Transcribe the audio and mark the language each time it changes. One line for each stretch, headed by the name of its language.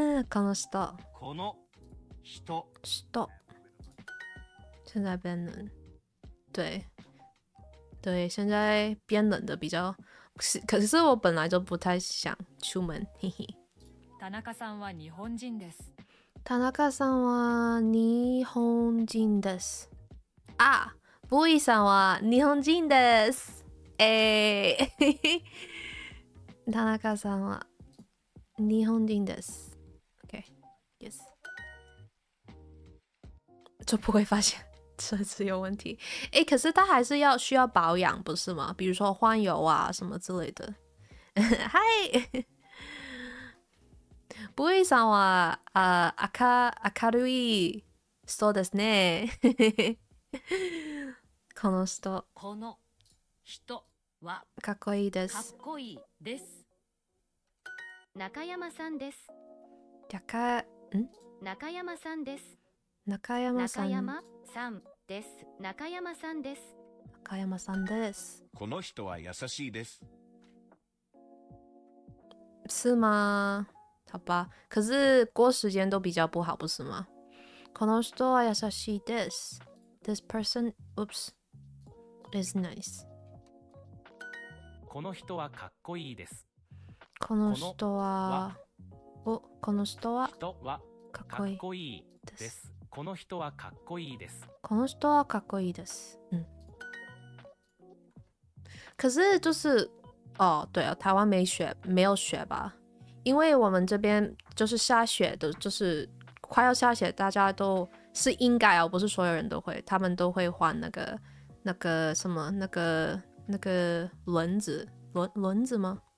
Japanese: この人。この人。
Chinese: 人。现在变冷。对。对，现在变冷的比较，可是我本来就不太想出门，嘿嘿。
Japanese: 田中さんは日本人です。田中さんは日本人です。あ、ボイさんは日本人です。田中さんは日本人です。
English: OK、 Yes。
Chinese: 这不会发现这次有问题。诶，可是他还是要需要保养不是吗？比如说换油啊什么之类的。
Japanese: 嗨，ボイさんは明るい人ですね。この人、この人はかっこいいです。かっこいいです。中山さんです。中山さんです。中山さん、中山さんです。中山さんです。中山さんです。この人は優しいです。
Chinese: 是吗？好吧，可是过时间都比较不好，不是吗？
Japanese: この人は優しいです。
English: This person, oops, is nice。
Japanese: この人はかっこいいです。この人は、お、この人は、人はかっこいいです。この人はかっこいいです。この人はかっこいいです。
Chinese: 可是就是、哦，对啊，台湾没雪，没有雪吧？因为我们这边就是下雪的，就是快要下雪，大家都是应该啊，不是所有人都会，他们都会换那个什么那个轮子吗？